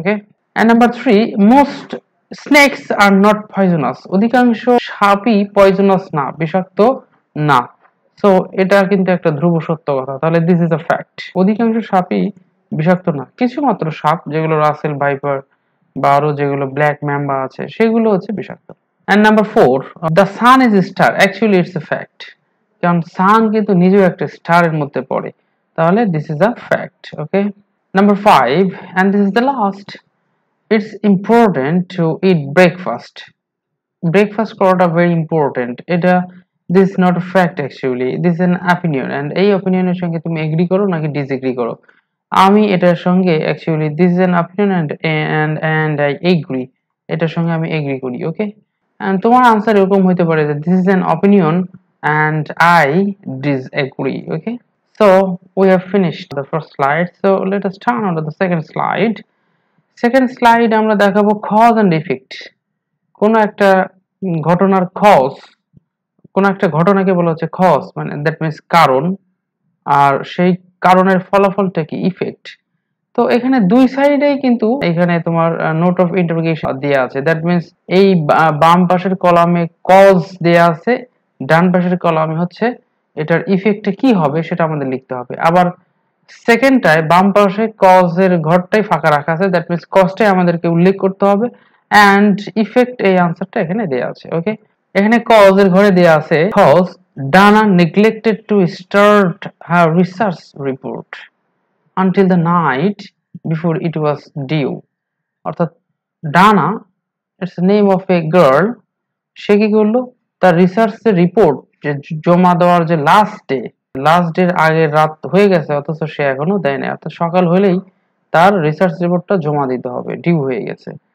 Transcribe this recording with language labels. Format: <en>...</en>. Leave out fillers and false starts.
<en>okay, and number three, most snakes are not poisonous,</en> <bn>অধিকাংশ সাপই poisonous না, বিষাক্ত না. সো এটা কিন্তু একটা ধ্রুব সত্য কথা, তাহলে</bn> <en>this is a fact,</en> <bn>অধিকাংশ সাপই বিষাক্ত না. কিছু মাত্র সাপ যেগুলো রাসেল ভাইপার বা আরো যেগুলো ব্ল্যাক ম্যাম্বা আছে সেগুলো হচ্ছে বিষাক্ত.</bn> <en>And number four, the sun is a star. Actually, it's a fact. Because sun is a star in the star. So, this is a fact. Okay. Number five, and this is the last. It's important to eat breakfast. Breakfast is very important. This is not a fact, actually. This is an opinion. And this opinion is that you agree or disagree. I agree. Actually, this is an opinion and I agree. I agree. Okay. And</en> <bn>তোমার answer এরকম হইতে পারে যে</bn> <en>This is an opinion and I disagree. Okay, so we have finished the first slide, so let us turn on to the second slide.</en> <bn>Second slide আমরা দেখাবো cause and effect, কোন একটা ঘটনার কজ, কোন একটা ঘটনাকে বলা হচ্ছে কজ, মানে দ্যাট মিন্স কারণ, আর সেই কারণের ফলাফলটা কি ইফেক্ট. তো এখানে দুই সাইডেই কিন্তু এখানে তোমার নোট অফ ইন্টারোগেশন দেয়া আছে, দ্যাট মিন্স এই বাম পাশের কলামে কজ দেয়া আছে, ডান পাশের কলামে হচ্ছে এটার ইফেক্টটা কি হবে সেটা আমাদের লিখতে হবে. আবার সেকেন্ডটায় বাম পাশে কজের ঘরটাই ফাঁকা রাখা আছে, দ্যাট মিন্স কজটাই আমাদেরকে উল্লেখ করতে হবে, অ্যান্ড ইফেক্ট এই আনসারটা এখানে দেয়া আছে. ওকে, এখানে কজের ঘরে দেয়া আছে cause,</bn> <en>Dana neglected to start her research report until the night before it was due.</en> <bn>অর্থাৎ ডানা,</bn> <en>it's name of a girl,</en> <bn>সে কি করল তার রিসার্চ রিপোর্ট যে জমা দেওয়ার যে লাস্ট ডে, লাস্ট ডের আগে রাত হয়ে গেছে অথচ সে এখনো দেয়নি, অর্থাৎ সকাল হলেই তার রিসার্চ রিপোর্টটা জমা দিতে হবে, ডিউ হয়ে গেছে।</bn>